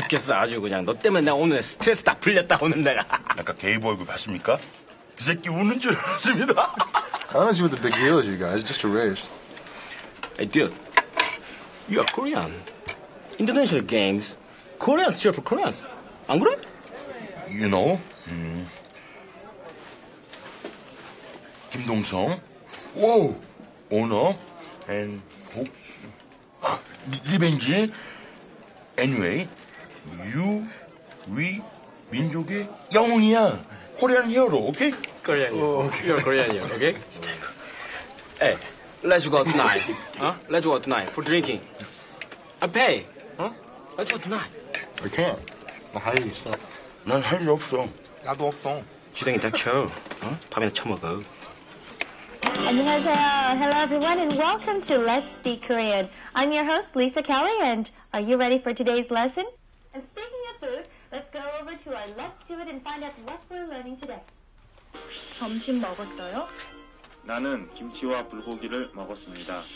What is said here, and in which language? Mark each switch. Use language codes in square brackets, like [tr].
[ko] 아주 그냥 너 때문에 내가 오늘 스트레스 다 풀렸다 오는 내가. 아까 게이브 얼굴 봤습니까? 그 새끼 우는 줄 알았습니다. [en] I don't see what the big deal is, you guys. It's just a race. Hey, dude. You are Korean. International games. Koreans cheer for Koreans. [ko] 안 그래? [en] You know. 김동성. Whoa. Honor. And hopes. Revenge. Anyway. You, we, [ko] 민족의 영웅이야. [en] Korean hero, okay? Korean hero. Okay. You're Korean hero, okay? Hey, let's go tonight. Let's go tonight for drinking. I pay. Let's go tonight. I can't. [ko] 나 할 일 있어. 난 할 일 없어. 나도 없어. 지성이 딱 쳐. 밤에다 쳐먹어. 안녕하세요. [en] Hello, everyone, and welcome to Let's Speak Korean. I'm your host, Lisa Kelly, and are you ready for today's lesson? And speaking of food, let's go over to our Let's Do It and find out what we're learning today. [ko] 점심 먹었어요? 나는 김치와 불고기를 먹었습니다.